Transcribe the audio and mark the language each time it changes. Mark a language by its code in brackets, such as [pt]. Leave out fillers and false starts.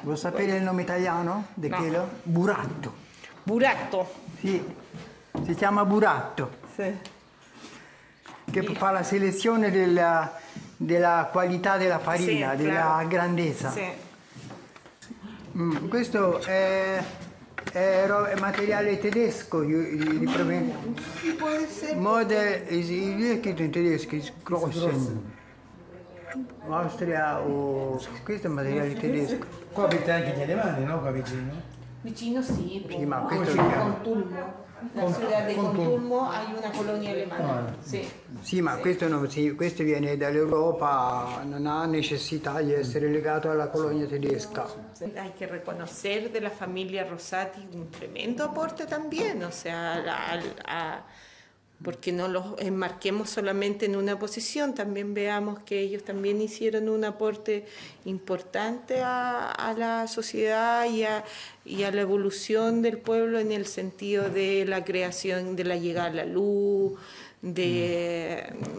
[es] ¿Vos sabés el nombre italiano? ¿De qué lo? Buratto. Buratto. Sí. Se llama Buratto. Sí. Que fa la selección de la calidad de la harina, sí, de la grandeza. Sí. [it] Questo è. È materiale tedesco, di proprio. Si può essere. [en] Model is [it] scritto in tedesco, Scrossen. Austria o. Questo è materiale tedesco. Qua avete anche gli alemani, no? Qua vicino? Vicino sì. Sì, ma questo è Contulmo. Nella città di Contulmo hai una colonia alemana. Sì. Sì, ma questo viene dall'Europa, non ha necessità di essere legato alla colonia tedesca. [es] Hay que reconocer de la familia Rosati un tremendo aporte también, o sea, porque no los enmarquemos solamente en una posición, también veamos que ellos también hicieron un aporte importante a la sociedad y a la evolución del pueblo en el sentido de la creación, de la llegada a la luz, de